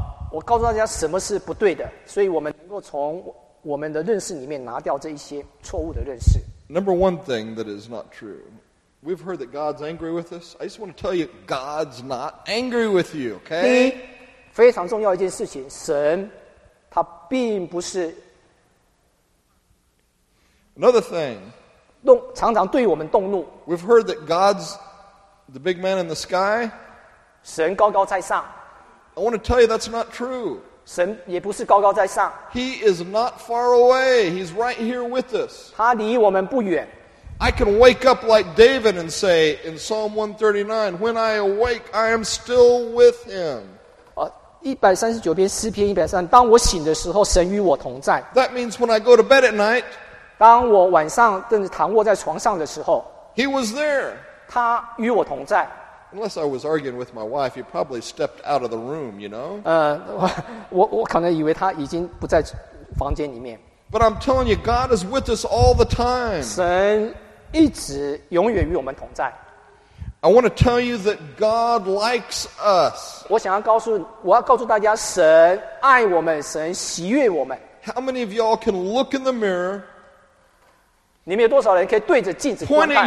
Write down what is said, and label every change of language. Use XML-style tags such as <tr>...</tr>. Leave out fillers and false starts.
<zh>我告诉大家什么是不对的，所以我们能够从我们的认识里面拿掉这一些错误的认识。</zh> <en>Number one thing that is not true. We've heard that God's angry with us. I just want to tell you, God's not angry with you, okay?</en> <zh>非常重要一件事情，神他并不是。</zh> <en>Another thing.</en> <zh>常常对我们动怒。</zh> <en>We've heard that God's the big man in the sky.</en> <zh>神高高在上。</zh> <en>I want to tell you that's not true.</en> <zh>神也不是高高在上。</zh> <en>He is not far away. He's right here with us.</en> <zh>他离我们不远。</zh> <en>I can wake up like David and say in Psalm 139, when I awake, I am still with him.</en> <zh>139篇诗篇139，当我醒的时候，神与我同在。</zh> <en>That means when I go to bed at night,</en> <zh>当我晚上正躺卧在床上的时候，</zh> <en>He was there.</en> <zh>他与我同在。</zh> <en>Unless I was arguing with my wife, he probably stepped out of the room, you know?</en> <zh>我可能以为他已经不在房间里面。</zh> <en>But I'm telling you, God is with us all the time.</en> <zh>神一直永远与我们同在。</zh> <en>I want to tell you that God likes us.</en> <zh>我要告诉大家，神爱我们，神喜悦我们。</zh> <en>How many of y'all can look in the mirror?</en> <zh>你们有多少人可以对着镜子观看？</zh>